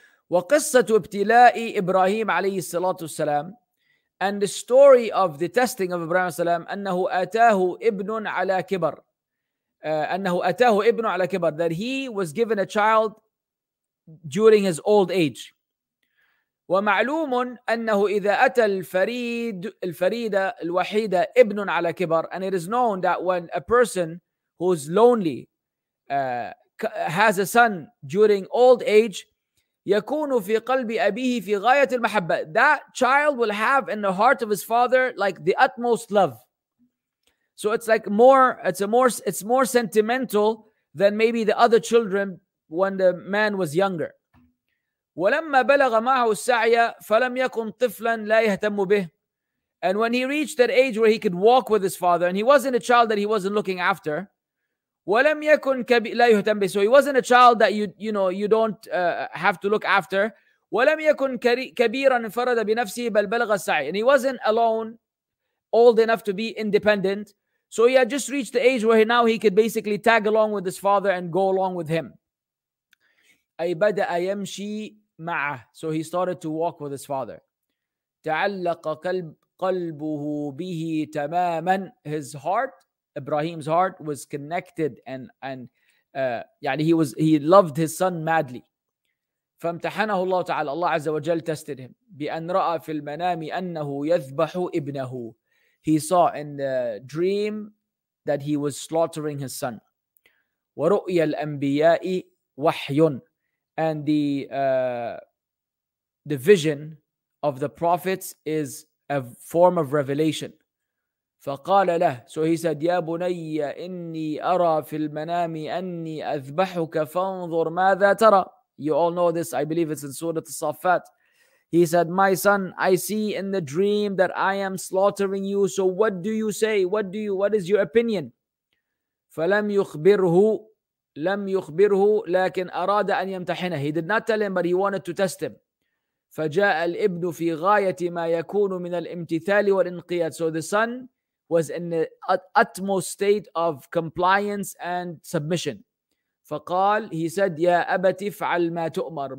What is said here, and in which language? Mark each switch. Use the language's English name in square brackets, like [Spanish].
[Arabic] وَقِصَّةُ ابْتِلَاءِ إِبْرَاهِيمَ عَلَيْهِ الصَّلَاةُ وَالسَّلَامُ. [English] And the story of the testing of Ibrahim salam, [Arabic] annahu ataahu ibnun ala kibar, [English] annahu ataahu ibnun ala kibar, that he was given a child during his old age. [Arabic] ومعلوم أنه إذا أتى الفريد الفريدة الوحيدة ابن على كبر. [English] And it is known that when a person who is lonely has a son during old age, [Arabic] يكون في قلب أبيه في غاية المحبة. [English] That child will have in the heart of his father like the utmost love. So it's like more, it's more sentimental than maybe the other children when the man was younger. [Arabic] ولما بلغ معه السعي فلم يكن طفلا لا يهتم به. [English] And when he reached that age where he could walk with his father, and he wasn't a child that he wasn't looking after, [Arabic] ولم يكن كبير لا يهتم به. [English] So he wasn't a child that you don't have to look after. [Arabic] ولم يكن كبيرا انفرد بنفسه بل بلغ السعي. [English] And he wasn't alone, old enough to be independent. So he had just reached the age where now he could basically tag along with his father and go along with him. [Arabic] أي بدأ يمشي معه. [English] So he started to walk with his father. [Arabic] تعلق قلبه به تماما. [English] His heart, Ibrahim's heart, was connected and he loved his son madly. [Arabic] فامتحنه الله تعالى. Allah عز وجل [English] tested him. [Arabic] بأن رأى في المنام أنه يذبح ابنه. [English] He saw in the dream that he was slaughtering his son. [Arabic] ورؤيا الأنبياء وحي. [English] And the vision of the prophets is a form of revelation. [Arabic] فقال له. [English] So he said, [Arabic] يا بني إني أرى في المنام أني أذبحك فانظر ماذا ترى. [English] You all know this. I believe it's in Surah As-Saffat. He said, my son, I see in the dream that I am slaughtering you. So what do you say? What is your opinion? [Arabic] فلم يخبره. لم يخبره لكن أراد أن يمتحنه. [English] He did not tell him, but he wanted to test him. [Arabic] فجاء الابن في غاية ما يكون من الامتثال والانقياد. [English] So the son was in the utmost state of compliance and submission. [Arabic] فقال, [English] he said, [Arabic] يا أبت افعل ما تؤمر.